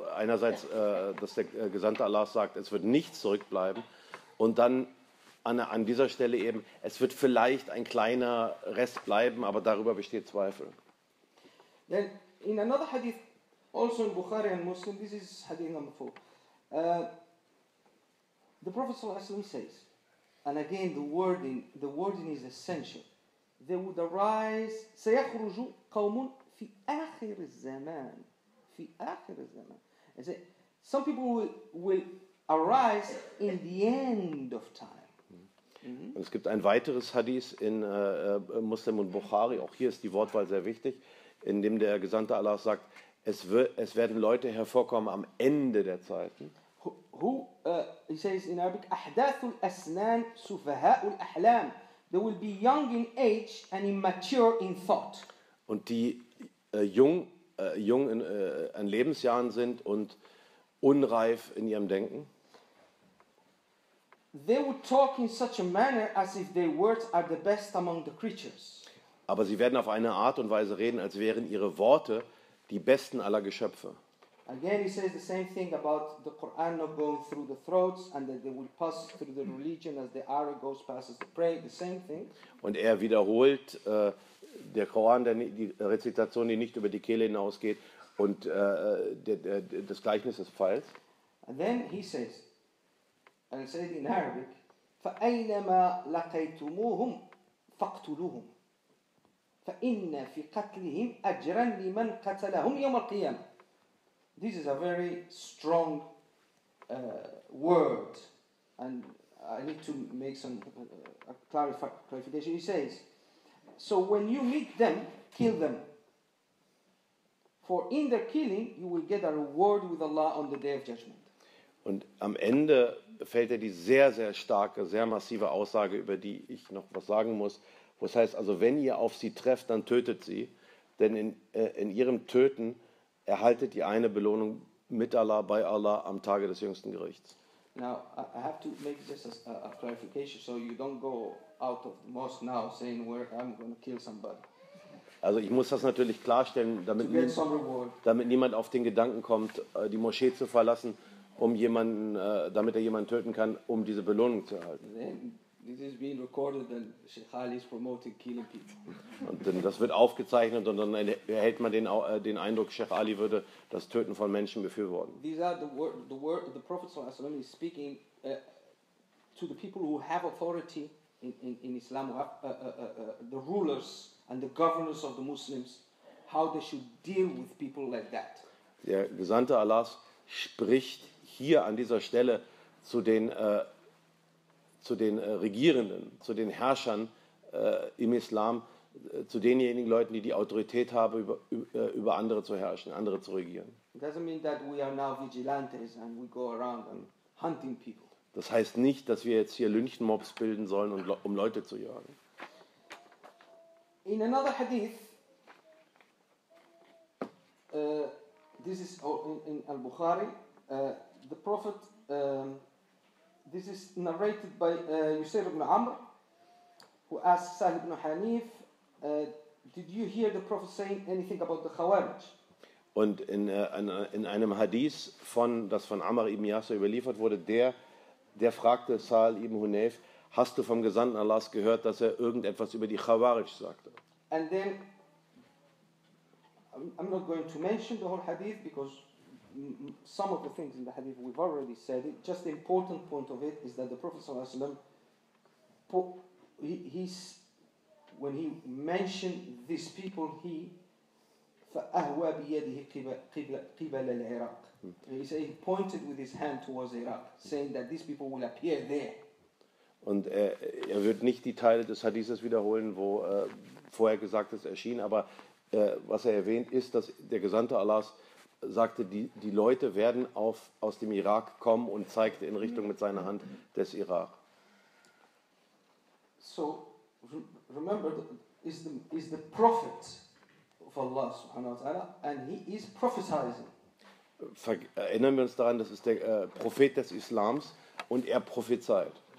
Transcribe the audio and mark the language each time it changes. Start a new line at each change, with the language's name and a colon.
German: Einerseits, dass der Gesandte Allahs sagt, es wird nichts zurückbleiben. Und dann an dieser Stelle eben, es wird vielleicht ein kleiner Rest bleiben, aber darüber besteht Zweifel.
English: Then in another hadith, also in Bukhari and Muslim, this is hadith number 4. The Prophet says, and again the wording is essential. There would arise
Arabic: سيخرجوا قوم في آخر الزمان في آخر الزمان.
English: I say, some people will arise in the end of time. Mm-hmm.
German: Und es gibt ein weiteres Hadith in Muslim und Bukhari. Auch hier ist die Wortwahl sehr wichtig, in dem der Gesandte Allah sagt, es werden Leute hervorkommen am Ende der Zeiten.
English: He says in Arabic,
Arabic: أحداث الأسنان سفهاء الأحلام.
English: They will be young in age and immature in thought.
German: Und die jung in Lebensjahren sind und unreif in ihrem Denken.
English: They would talk in such a manner as if their words are the best among the creatures.
German: Aber sie werden auf eine Art und Weise reden, als wären ihre Worte die besten aller Geschöpfe.
English: Again, he says the same thing about the Quran not going through the throats and that they will pass through the religion as the arrow goes past the prey. The same thing.
German: Und er wiederholt der Koran, die Rezitation, die nicht über die Kehle hinausgeht, und das Gleichnis des Pfeils.
English: And then he says, and he says in Arabic,
Arabic: فَأَيْنَمَا لَقَيْتُمُوهُمْ فَاقْتُلُوهُمْ فَإِنَّ فِي قَتْلِهِمْ أَجْرًا لِمَنْ قَتَلَهُمْ يَوْمَ الْقِيَامَةِ.
English: This is a very strong word, and I need to make some clarification. He says, so when you meet them, kill them. For in their killing, you will get a reward with Allah on the Day of Judgment.
German: Und am Ende fällt die sehr, sehr starke, sehr massive Aussage, über die ich noch was sagen muss, wo es heißt, also wenn ihr auf sie trefft, dann tötet sie, denn in ihrem Töten erhaltet die eine Belohnung mit Allah, bei Allah, am Tage des jüngsten Gerichts.
English: Now, I have to make just a clarification, so you don't go out of the mosque now saying, where I'm going to kill somebody.
German: Also ich muss das natürlich klarstellen, damit niemand auf den Gedanken kommt, die Moschee zu verlassen, um jemanden, damit er jemanden töten kann, um diese Belohnung zu erhalten.
English: This is being recorded and Sheikh Ali is promoting killing people.
German: Und dann das wird aufgezeichnet und dann erhält man den Eindruck, Sheikh Ali würde das Töten von Menschen befürworten.
English: These are the Prophet sallallahu alaihi wasallam is speaking to the people who have authority in Islam, the rulers and the governors of the Muslims, how they should deal with people like that.
German: Der Gesandte Allahs spricht hier an dieser Stelle zu den Regierenden, zu den Herrschern im Islam, zu denjenigen Leuten, die Autorität haben, über andere zu herrschen, andere zu regieren.
English: It doesn't mean that we are now vigilantes and we go around and hunting people.
German: Das heißt nicht, dass wir jetzt hier Lynchenmobs bilden sollen, um Leute zu jagen.
English: In another hadith, this is in Al-Bukhari, the Prophet, this is narrated by Yusayr ibn Amr, who asked Sa'd ibn Hanif, did you hear the Prophet saying anything about the Khawarij?
German: Und in einem Hadith, das von Amr ibn Yasir überliefert wurde, der fragte Sa'd ibn Hanif, hast du vom Gesandten Allahs gehört, dass er irgendetwas über die Khawarij sagte?
English: And then, I'm not going to mention the whole hadith because some of the things in the hadith we've already said. Just the important point of it is that the Prophet sallallahu alaihi wasallam, when he mentioned these people, he
Arabic: فأهوى بيده قبل العراق.
English: He said he pointed with his hand towards Iraq, saying that these people will appear there.
German: Und er wird nicht die Teile des Hadithes wiederholen, wo vorher gesagt ist erschien, aber was er erwähnt ist, dass der Gesandte Allahs sagte, die Leute werden aus dem Irak kommen und zeigte in Richtung mit seiner Hand des Irak.
English: So, remember, is the prophet of Allah subhanahu wa ta'ala and he is prophesizing.
German: Erinnern wir uns daran, das ist der Prophet des Islams und er prophezeit.